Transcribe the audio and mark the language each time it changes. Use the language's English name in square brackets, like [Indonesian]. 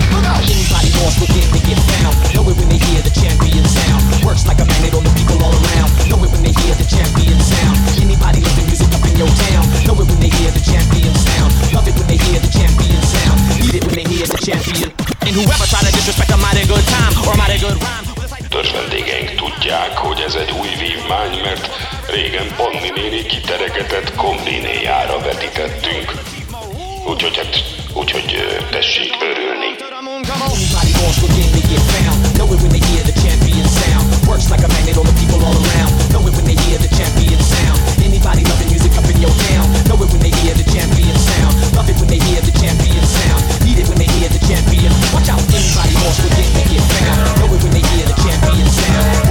[English] Anybody lost within they get found. Know it when they hear the champion sound. Works like a magnet on the people all around. Know it when they hear the champion sound. Anybody love the music up in your town? Know it when they hear the champion sound. Love it when they hear the champion sound. Need it when they hear the champion. And whoever try to disrespect a mighty good time or a mighty good rhyme. [Hungarian] Törzs vendégeink tudják, hogy ez egy új vívmány, mert régen Panni néni kiteregetett kombinéjára vetítettünk. Úgyhogy hát, úgyhogy tessék örülni. [English] Works like a magnet on the people all around. Know it when they hear the champion sound. Anybody loving music up in your town. Know it when they hear the champion sound. Love it when they hear the champion sound. Need it when they hear the champion. Watch out, anybody lost within they get found. Know it when they hear the champion sound.